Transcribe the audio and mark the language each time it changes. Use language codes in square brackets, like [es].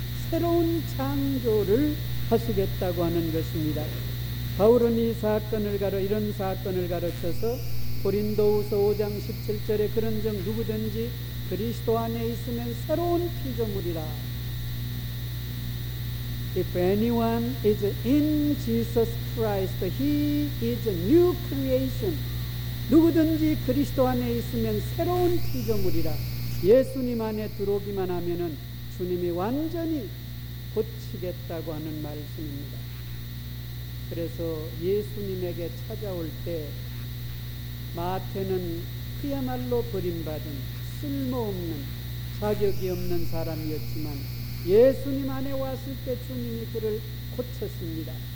[ko] 새로운 창조를 하시겠다고 하는 것입니다. 바울은 이 사건을 가르 이런 사건을 가르쳐서 고린도후서 5장 17절에 그런즉 누구든지 그리스도 안에 있으면 새로운 피조물이라. [en] If anyone is in Jesus Christ, he is a new creation. [ko] 누구든지 그리스도 안에 있으면 새로운 피조물이라. 예수님 안에 들어오기만 하면은 주님이 완전히 고치겠다고 하는 말씀입니다. 그래서 예수님에게 찾아올 때 마태는 그야말로 버림받은 쓸모없는 자격이 없는 사람이었지만 예수님 안에 왔을 때 주님이 그를 고쳤습니다.